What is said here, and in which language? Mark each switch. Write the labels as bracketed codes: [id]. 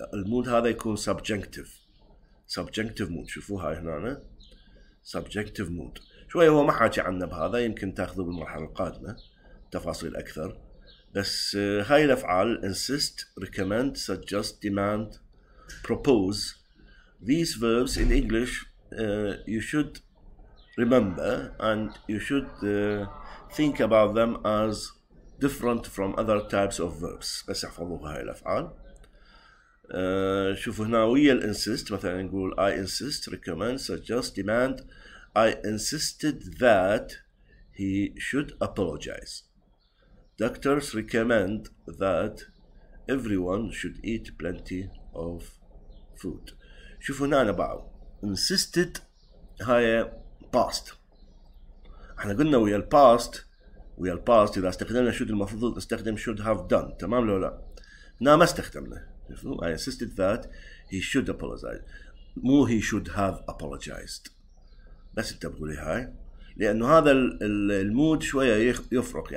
[ar] المود هذا يكون سبجنكتيف. سبجنكتيف مود شوفوها هنا انا سبجنكتيف مود شوي هو ما حاجي عنه بهذا يمكن تاخذه بالمرحله القادمه تفاصيل اكثر. بس هاي الافعال [en] insist recommend suggest demand propose these verbs in English you should remember and you should think about them as different from other types of verbs. [ar] بس احفظوها هاي الأفعال. شوفوا هنا ويا ال insist مثلا نقول [en] I insist, recommend, suggest, demand. I insisted that he should apologize. Doctors recommend that everyone should eat plenty of food. [ar] شوفوا هنا بعض insisted هاي past. احنا قلنا ويا ال past ويا الباست إذا استخدمنا should المفروض نستخدم [en] should have done. [ar] تمام لو لا هنا ما استخدمنا. [en] I insisted that he should apologize [ar] مو [en] he should have apologized. [ar] بس انتبهوا لي هاي لأنه هذا المود شوية يفرق.